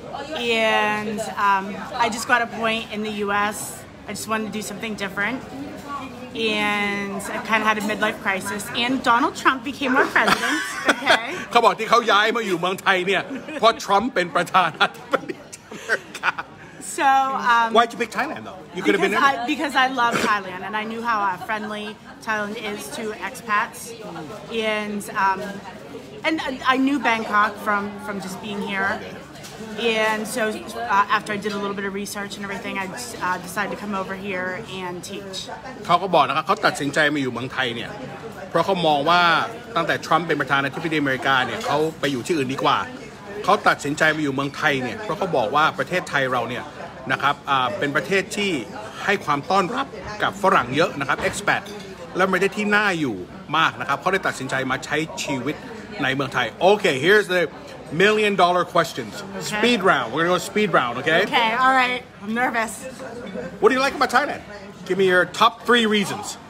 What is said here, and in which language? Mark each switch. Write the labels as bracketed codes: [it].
[en] And I just got a point in the U.S. I just wanted to do something different. And I kind of had a midlife crisis. And Donald Trump became our president, okay? [th] เขาบอกที่เขาย้ายมาอยู่เมืองไทยเนี่ยเพราะทรัมป์เป็นประธานาธิบดีอเมริกา [en] So, why did you pick Thailand though? You could have been there. Because I love Thailand and I knew how friendly Thailand is to expats. And I knew Bangkok from just being here. And so after I did a little bit of research and everything, I decided to come over here and teach. [th] เขาก็บอกนะครับเขาตัดสินใจมาอยู่เมืองไทยเนี่ยเพราะเขามองว่าตั้งแต่ทรัมป์เป็นประธานาธิบดีอเมริกาเนี่ยเขาไปอยู่ที่อื่นดีกว่าเขาตัดสินใจมาอยู่เมืองไทยเนี่ยเพราะเขาบอกว่าประเทศไทยเราเนี่ยนะครับเป็นประเทศที่ให้ความต้อนรับกับฝรั่งเยอะนะครับ expat และประเทศที่น่าอยู่มากนะครับเขาได้ตัดสินใจมาใช้ชีวิตในเมืองไทยโอเค here's the million dollar questions [en] okay. speed round we're gonna go speed round okay all right I'm nervous what do you like about Thailand give me your top three reasons